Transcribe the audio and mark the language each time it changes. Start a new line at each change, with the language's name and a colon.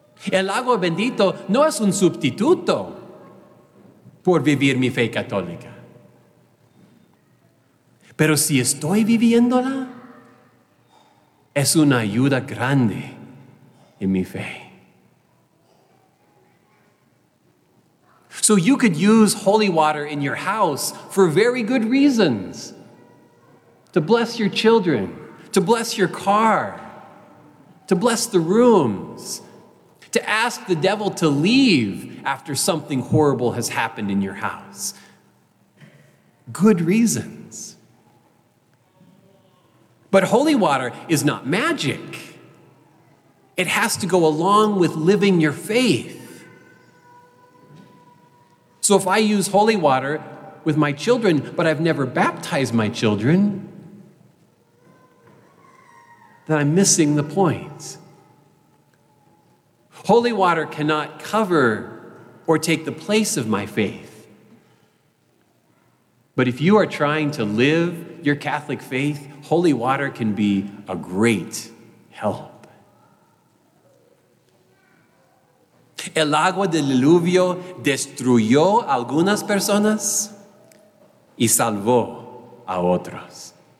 Spanish: El agua bendito no es un sustituto por vivir mi fe católica. Pero si estoy viviéndola, es una ayuda grande en mi fe.
English: So you could use holy water in your house for very good reasons. To bless your children, to bless your car, to bless the rooms, to ask the devil to leave after something horrible has happened in your house. Good reasons. But holy water is not magic. It has to go along with living your faith. So if I use holy water with my children, but I've never baptized my children, then I'm missing the point. Holy water cannot cover or take the place of my faith. But if you are trying to live your Catholic faith, holy water can be a great help.
Spanish: El agua del diluvio destruyó a algunas personas y salvó a otras.